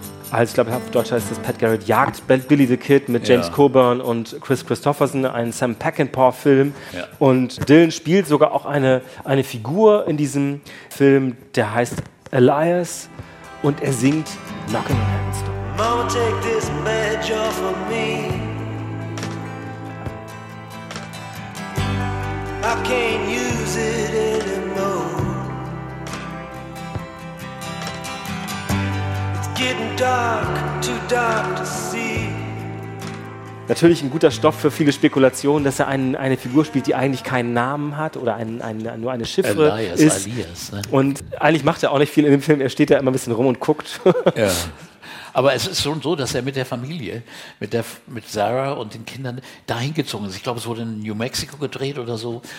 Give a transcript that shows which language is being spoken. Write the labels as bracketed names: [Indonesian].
[German] Also ich glaube, auf Deutsch heißt das Pat Garrett jagt Billy the Kid mit James Coburn und Kris Kristofferson, einen Sam Peckinpah-Film. Ja. Und Dylan spielt sogar auch eine Figur in diesem Film, der heißt Elias und er singt Knockin' on Heaven's Door. [English] Mama, take this badge off of me. I can't use it anymore. It's getting dark, too dark to see. [German] Natürlich ein guter Stoff für viele Spekulationen, dass er eine Figur spielt, die eigentlich keinen Namen hat oder nur eine Chiffre ist. Alias, ne? Und eigentlich macht er auch nicht viel in dem Film, er steht da immer ein bisschen rum und guckt. Ja. Aber es ist schon so, dass er mit der Familie, mit Sarah und den Kindern dahin gezogen ist. Ich glaube, es wurde in New Mexico gedreht oder so.